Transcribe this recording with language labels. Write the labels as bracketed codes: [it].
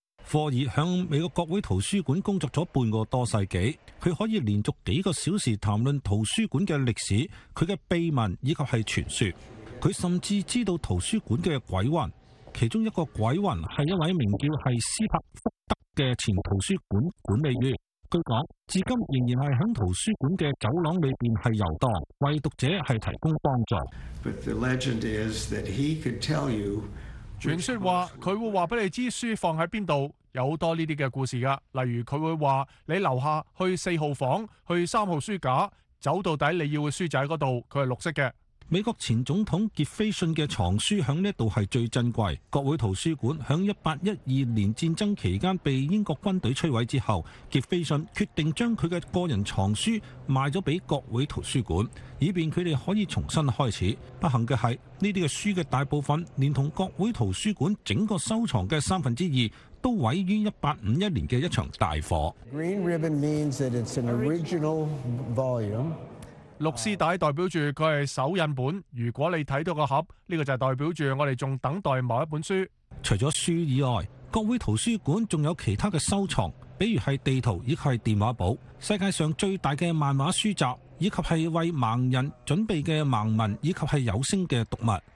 [yue] 霍尔向美国国会图书馆工作咗半个多世纪，佢可以连续几个小时谈论图书馆嘅历史、佢嘅秘闻以及系传说。佢甚至知道图书馆嘅鬼魂，其中一个鬼魂系一位名叫系斯帕福德嘅前图书馆管理员。据讲，至今仍然系喺图书馆嘅走廊里边系游荡，为读者系提供帮助。 [en] But the legend is that he could tell you。 [yue] 传说话佢会话俾你知书放喺边度，有好多呢啲嘅故事噶。例如佢会话你楼下去四号房，去三号书架，走到底你要嘅书就喺嗰度，佢系绿色嘅。美国前总统杰斐逊嘅藏书喺呢度系最珍贵。国会图书馆喺1812年战争期间被英国军队摧毁之后，杰斐逊决定将佢嘅个人藏书卖咗俾国会图书馆，以便佢哋可以重新开始。不幸嘅系，呢啲嘅书嘅大部分，连同国会图书馆整个收藏嘅三分之二，都毁于1851年嘅一场大火。 [en] Green ribbon means that it's an original volume。 [yue] 绿丝带代表住佢系首印本，如果你睇到个盒，这个就代表住我哋仲等待某一本书。除咗书以外，国会图书馆仲有其他嘅收藏，比如系地图以及系电话簿，世界上最大嘅漫画书集，以及系为盲人准备嘅盲文，以及系有声嘅读物。